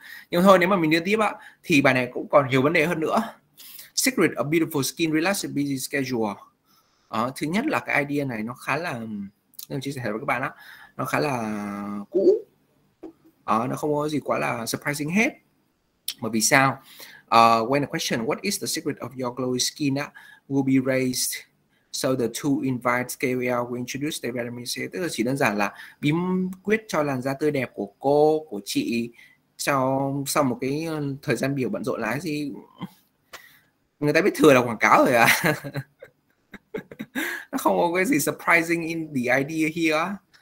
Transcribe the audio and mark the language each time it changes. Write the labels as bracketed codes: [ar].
[vi] Nhưng thôi, nếu mà mình đi tiếp á, thì bài này cũng còn nhiều vấn đề hơn nữa. [en] Secret of beautiful skin, relaxed busy schedule. [vi] Thứ nhất là cái idea này nó khá là, nên chia sẻ với các bạn á, nó khá là cũ. Nó không có gì quá là surprising hết. Mà vì sao? [en] When a question what is the secret of your glowy skin will be raised, so the two invites KOL will introduce their vitamin C. [vi] Tức là chỉ đơn giản là bí quyết cho làn da tươi đẹp của cô, của chị sau một cái thời gian biểu bận rộn lái gì. Người ta biết thừa là quảng cáo rồi à. Nó không có cái gì [en] surprising in the idea here.